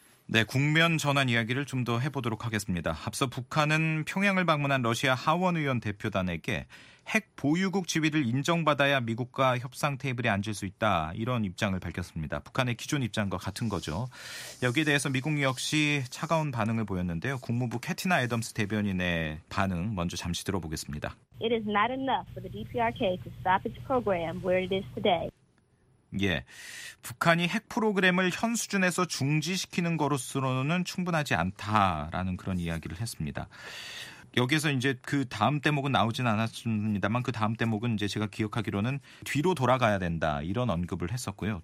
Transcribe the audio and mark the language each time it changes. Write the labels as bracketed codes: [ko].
[ko] 네, 국면 전환 이야기를 좀 더 해보도록 하겠습니다. 앞서 북한은 평양을 방문한 러시아 하원 의원 대표단에게 핵 보유국 지위를 인정받아야 미국과 협상 테이블에 앉을 수 있다. 이런 입장을 밝혔습니다. 북한의 기존 입장과 같은 거죠. 여기에 대해서 미국 역시 차가운 반응을 보였는데요. 국무부 캐티나 애덤스 대변인의 반응 먼저 잠시 들어보겠습니다. [en] It is not enough for the DPRK to stop its program where it is today. [ko] 예. 북한이 핵 프로그램을 현 수준에서 중지시키는 것으로서는 충분하지 않다라는 그런 이야기를 했습니다. 여기에서 이제 그 다음 대목은 나오진 않았습니다만 그 다음 대목은 이제 제가 기억하기로는 뒤로 돌아가야 된다 이런 언급을 했었고요.